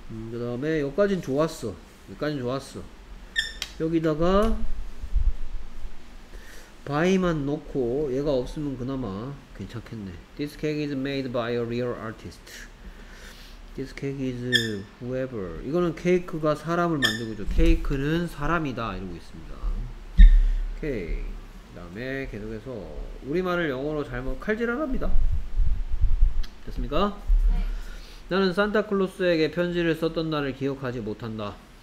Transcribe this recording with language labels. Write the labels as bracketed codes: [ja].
[ko] 그 다음에 여기까지는 좋았어. 여기까지는 좋았어. 여기다가 by만 놓고 얘가 없으면 그나마 괜찮겠네. [en] This cake is made by a real artist. This cake is whoever. [ko] 이거는 케이크가 사람을 만들고 있죠. 케이크는 사람이다. 이러고 있습니다. 오케이. 그 다음에 계속해서 우리말을 영어로 잘못 칼질하랍니다. 됐습니까? 네. 나는 산타클로스에게 편지를 썼던 날을 기억하지 못한다.